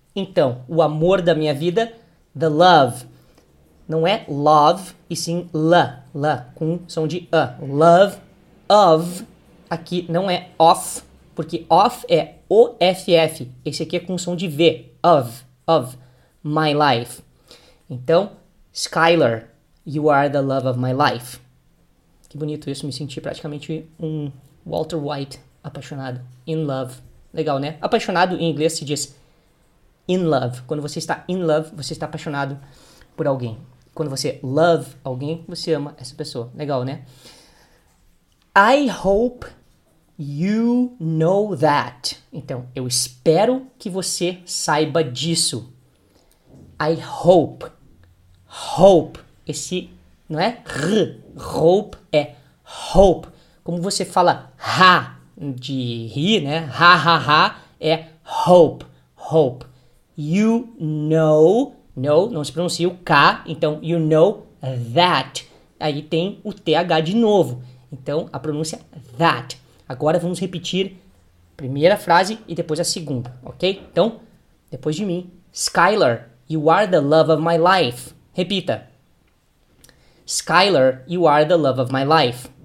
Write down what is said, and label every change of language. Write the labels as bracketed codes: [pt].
[pt] Então, o amor da minha vida, [en] the love. [pt] Não é love, e sim la. La, com som de a. [en] Love of. [pt] Aqui não é of, porque of é O-F-F. Esse aqui é com som de V. [en] Of. Of. My life. [pt] Então, [en] Skylar, you are the love of my life. [pt] Que bonito isso, me senti praticamente um Walter White apaixonado. [en] In love. [pt] Legal, né? Apaixonado em inglês se diz [en] in love. [pt] Quando você está in love, você está apaixonado por alguém. Quando você love alguém, você ama essa pessoa. Legal, né? [en] I hope you know that. [pt] Então, eu espero que você saiba disso. [en] I hope. Hope. [pt] Esse, não é? R. Hope é hope. Como você fala ha de rir, né? Ha, ha, ha. É [en] hope. Hope. You know. [pt] No, não se pronuncia o K. Então, [en] you know that. [pt] Aí tem o TH de novo. Então, a pronúncia that. Agora, vamos repetir a primeira frase e depois a segunda, ok? Então, depois de mim. [en] Skylar, you are the love of my life. [pt] Repita. [en] Skylar, you are the love of my life.